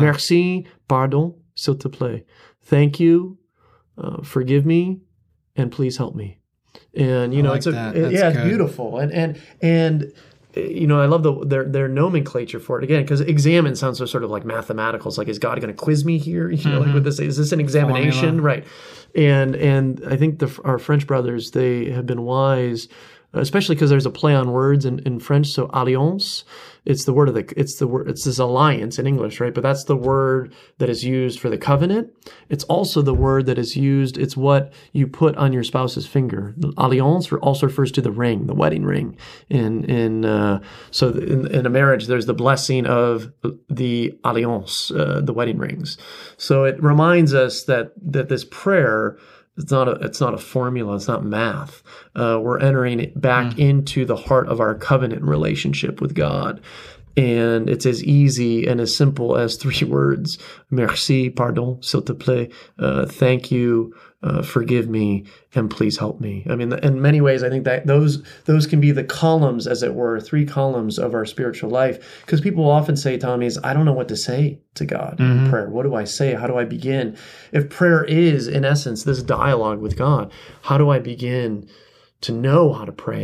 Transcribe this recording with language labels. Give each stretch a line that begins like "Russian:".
French: Merci, pardon, s'il te plaît.
English: Thank you, forgive me, and please help me. And, you know, I like it's a, that. That's yeah, good. It's beautiful. And you know, I love their nomenclature for it again, because examine sounds so sort of like mathematical. It's like, is God going to quiz me here? You know, mm-hmm. like with this, is this an examination? Formula. Right. And I think our French brothers, they have been wise especially because there's a play on words in French. So alliance, it's the word of the, it's the word, it's this alliance in English, right? But that's the word that is used for the covenant. It's also the word that is used. It's what you put on your spouse's finger. Alliance also refers to the ring, the wedding ring. In a marriage, there's the blessing of the alliance, the wedding rings. So it reminds us that this prayer, It's not a formula. It's not math. We're entering it back into the heart of our covenant relationship with God. And it's as easy and as simple as three words.
French: Merci, pardon, s'il te plaît.
English: Thank you, forgive me, and please help me. I mean, in many ways, I think that those can be the columns, as it were, three columns of our spiritual life. Because people often say, Tommy, I don't know what to say to God in prayer. What do I say? How do I begin? If prayer is, in essence, this dialogue with God, how do I begin to know how to pray?